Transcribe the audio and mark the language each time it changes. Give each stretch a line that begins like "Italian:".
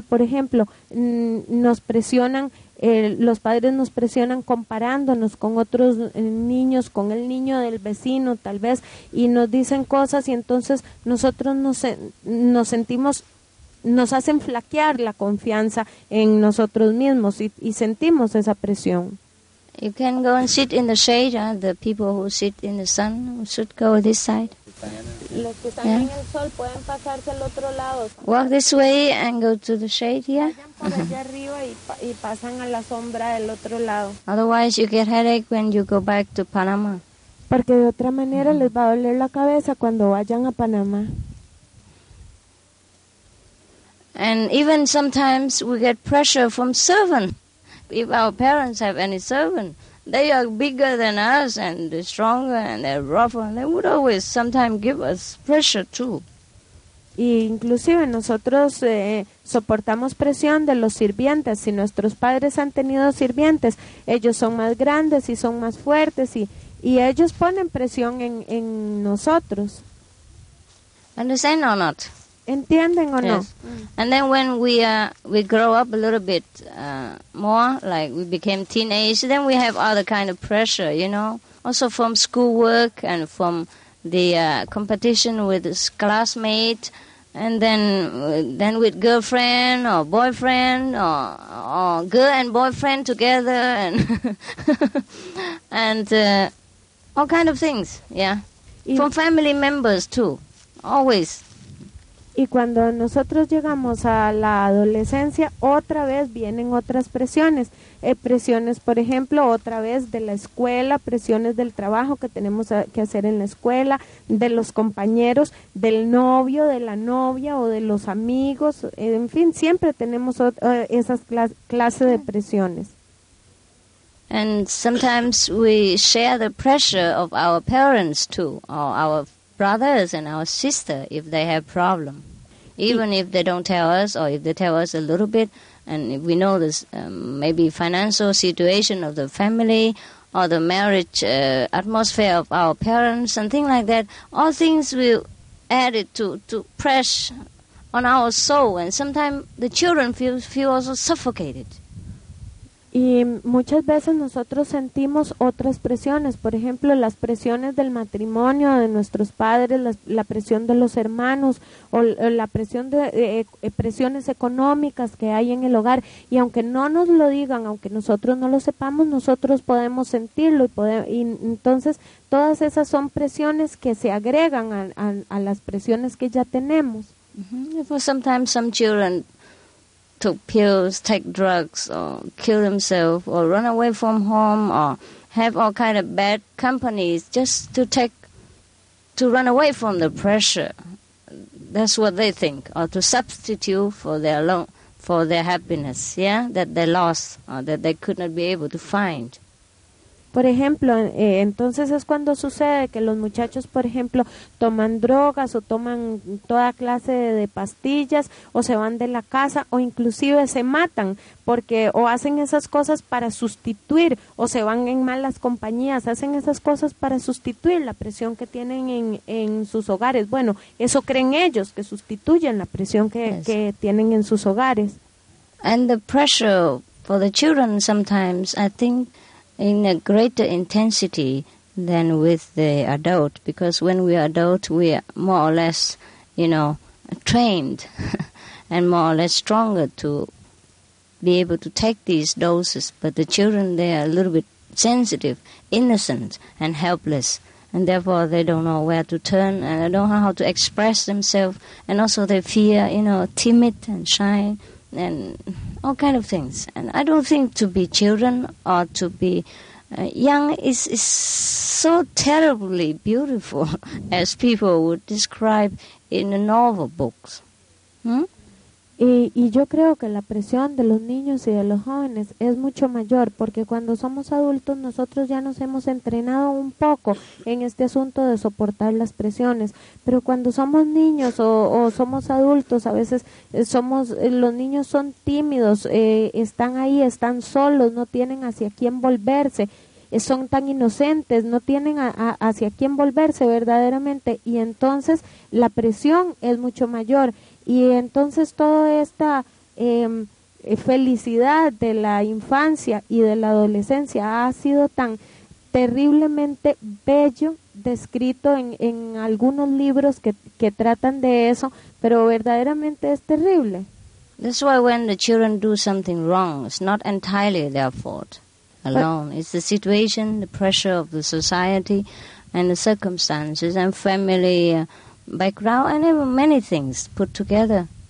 Spanish: Por ejemplo, nos presionan, los padres nos presionan comparándonos con otros niños, con el niño del vecino tal vez, y nos dicen cosas, y entonces nosotros nos sentimos, nos hacen flaquear la confianza en nosotros mismos y sentimos esa presión.
English: You can go and sit in the shade, the people who sit in the sun should go this side.
Spanish: Los que están en el sol pueden pasarse al otro lado.
English: Walk this way and go to the shade here.
Spanish: Vayan por allá arriba y pasan a la sombra del otro lado.
English: Otherwise you get headache when you go back to Panama.
Spanish: Porque de otra manera les va a doler la cabeza cuando vayan a Panamá.
English: And even sometimes we get pressure from servants. If our parents have any servant, they are bigger than us and stronger and they're rougher. They would always sometimes give us pressure too.
Spanish: Y inclusive nosotros soportamos presión de los sirvientes. Si nuestros padres han tenido sirvientes, ellos son más grandes y son más fuertes y ellos ponen presión en nosotros.
English: Understand or not?
Spanish: ¿Entienden o no?
English: And then when we grow up a little bit more, like we became teenage, then we have other kind of pressure, you know, also from schoolwork and from the competition with this classmate, and then with girlfriend or boyfriend or girl and boyfriend together and and all kind of things, from family members too, always.
Spanish: Y cuando nosotros llegamos a la adolescencia, otra vez vienen otras presiones. Presiones, por ejemplo, otra vez de la escuela, presiones del trabajo que tenemos que hacer en la escuela, de los compañeros, del novio, de la novia o de los amigos. En fin, siempre tenemos esas clases de presiones.
English: And sometimes we share the pressure of our parents too, or our brothers and our sister, if they have problem, even if they don't tell us, or if they tell us a little bit, and if we know this maybe financial situation of the family or the marriage atmosphere of our parents and things like that, all things will add it to press on our soul, and sometimes the children feel also suffocated.
Spanish: Y muchas veces nosotros sentimos otras presiones, por ejemplo, las presiones del matrimonio de nuestros padres, la presión de los hermanos o la presión de presiones económicas que hay en el hogar. Y aunque no nos lo digan, aunque nosotros no lo sepamos, nosotros podemos sentirlo. Y entonces todas esas son presiones que se agregan a las presiones que ya tenemos.
English: Sometimes some children took pills, take drugs, or kill themselves, or run away from home, or have all kind of bad companies just to run away from the pressure. That's what they think, or to substitute for their happiness, yeah, that they lost, or that they could not be able to find.
Spanish: Por ejemplo, entonces es cuando sucede que los muchachos, por ejemplo, toman drogas o toman toda clase de pastillas o se van de la casa o inclusive se matan porque o hacen esas cosas para sustituir o se van en malas compañías, hacen esas cosas para sustituir la presión que tienen en sus hogares. Bueno, eso creen ellos, que sustituyen la presión que tienen en sus hogares.
English: And the pressure for the children sometimes, I think, in a greater intensity than with the adult, because when we are adult, we are more or less, you know, trained and more or less stronger to be able to take these doses. But the children, they are a little bit sensitive, innocent and helpless, and therefore they don't know where to turn and they don't know how to express themselves, and also they fear, you know, timid and shy and all kind of things. And I don't think to be children or to be Yang is so terribly beautiful, as people would describe in the novel books.
Spanish: Y yo creo que la presión de los niños y de los jóvenes es mucho mayor, porque cuando somos adultos nosotros ya nos hemos entrenado un poco en este asunto de soportar las presiones, pero cuando somos niños o somos adultos, a veces somos los niños son tímidos, están ahí, están solos, no tienen hacia quién volverse, son tan inocentes, no tienen hacia quién volverse verdaderamente, y entonces la presión es mucho mayor. Y entonces toda esta felicidad de la infancia y de la adolescencia ha sido tan terriblemente bello descrito en algunos libros que tratan de eso, pero verdaderamente es terrible.
English: That's why when the children do something wrong, it's not entirely their fault alone. But it's the situation, the pressure of the society and the circumstances and family background and many things put together.